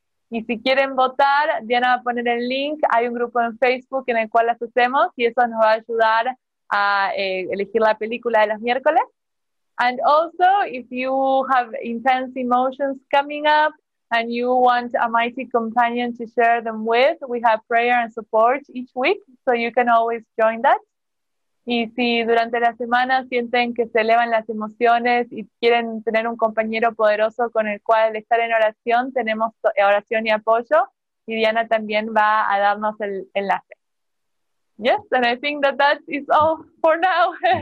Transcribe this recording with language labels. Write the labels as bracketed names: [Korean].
[Spanish] Y si quieren votar, Diana va a poner el link. Hay un grupo en Facebook en el cual las hacemos y eso nos va a ayudar a elegir la película de los miércoles. [English] And also, if you have intense emotions coming up and you want a mighty companion to share them with, we have prayer and support each week, so you can always join that. [Spanish] Y si durante la semana sienten que se elevan las emociones y quieren tener un compañero poderoso con el cual estar en oración, tenemos oración y apoyo. Y Diana también va a darnos el enlace. [English] Yes, and I think that is all for now.